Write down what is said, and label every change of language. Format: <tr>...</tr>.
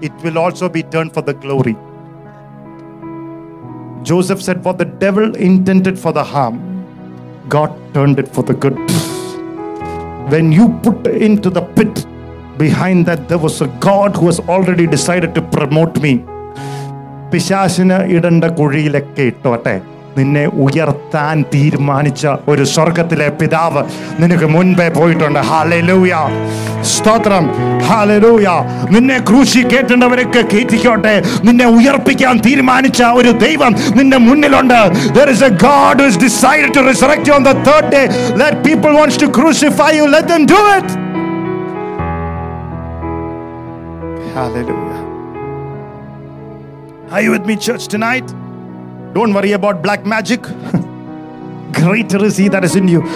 <en>It will also be turned for the glory. Joseph said, what the devil intended for the harm, God turned it for the good. When you put into the pit, behind that there was a God who has already decided to promote me.</en> <ml>പിശാശിന് ഇടേണ്ട കുഴിയിലൊക്കെ ഇട്ടോട്ടെ, നിന്നെ ഉയർത്താൻ തീരുമാനിച്ച ഒരു സ്വർഗത്തിലെ പിതാവ് നിനക്ക് മുൻപേ പോയിട്ടുണ്ട്. ഹല്ലേലൂയാ, സ്തോത്രം, ഹല്ലേലൂയാ. നിന്നെ ക്രൂശി കേട്ടേണ്ടവരൊക്കെ കേറ്റിക്കോട്ടെ, നിന്നെ ഉയർപ്പിക്കാൻ തീരുമാനിച്ച ഒരു ദൈവം നിന്റെ മുന്നിലുണ്ട്.</ml> <en>There is a God who has decided to resurrect you on the third day. Let people wants to crucify you, let them do it. Hallelujah. Are you with me, church, tonight? Don't worry about black magic. Greater is he that is in you.</en>